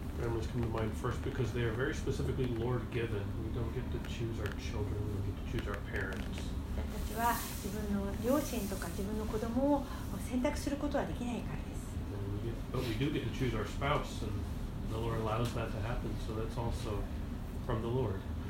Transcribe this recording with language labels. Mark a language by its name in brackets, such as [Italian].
[English] Families come to mind first because they are very specifically Lord given. We don't get to choose our children, we don't get to choose our parents. [Japanese] 私たちは自分の両親とか自分の子供を選択することはできないからです。 [English] But we do get to choose our spouse and... The Lord allows that to happen, so that's also from the Lord.